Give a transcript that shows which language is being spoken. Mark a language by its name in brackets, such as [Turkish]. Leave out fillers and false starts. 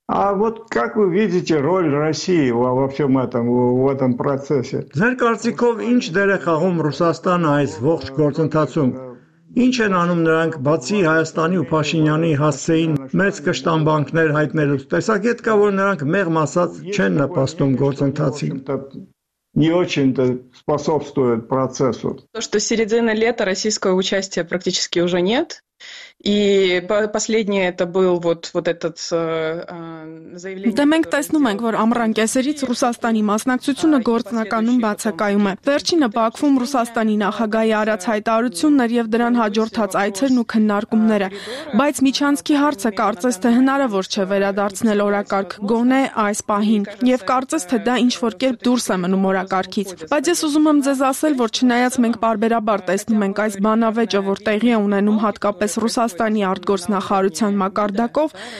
[Russian] А вот как вы видите роль России во всем этом, в этом процессе? [Armenian] Ձեր կարծիքով ինչ դեր է խաղում Ռուսաստանը այս ողջ գործընթացում? Ինչ են անում նրանք, բացի Հայաստանի ու Փաշինյանի հասցեին մեծ կշտամբանքներ հայտնելուց? Տեսակետ կա, որ նրանք մեղմ ասած չեն նպաստում գործընթացին. [Russian] Не очень-то способствует процессу. То, что с середины лета российского участия практически уже нет. И последнее это был вот этот заявление. [Armenian] Մենք տեսնում ենք, որ ամռան կեսերից Ռուսաստանի մասնակցությունը գործնականում բացակայում է։ Վերջինը Բաքվում Ռուսաստանի նախագահի արած հայտարարություններ եւ դրան հաջորդած այցերն ու քննարկումները, բայց միջանցքի հարցը կարծես թե հնարավոր չէ վերադարձնել օրակարգ գոնե այս պահին, եւ կարծես թե դա ինչ որ կերպ դուրս է մնում օրակարգից։ Բայց ես ուզում եմ ձեզ ասել, որ չնայած մենք բարբերաբար տեսնում ենք այս բանավեճը, որ տեղի է ունենում հատկապես Ռուսաստանի արտգործնախարարության մակարդակով,